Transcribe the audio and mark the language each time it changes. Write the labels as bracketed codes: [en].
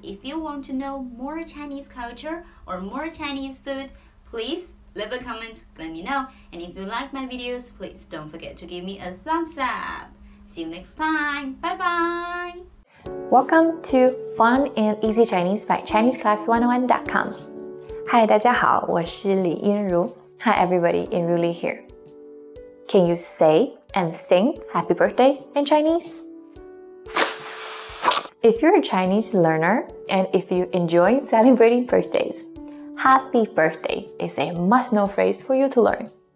[en] If you want to know more Chinese culture or more Chinese food, please leave a comment, let me know. And if you like my videos, please don't forget to give me a thumbs up. See you next time. Bye bye. Welcome to Fun and Easy Chinese by ChineseClass101.com. [zh] Hi, 大家好，我是李音如。 [en] Hi everybody, Inruli here. Can you say and sing happy birthday in Chinese? If you're a Chinese learner and if you enjoy celebrating birthdays, happy birthday is a must-know phrase for you to learn.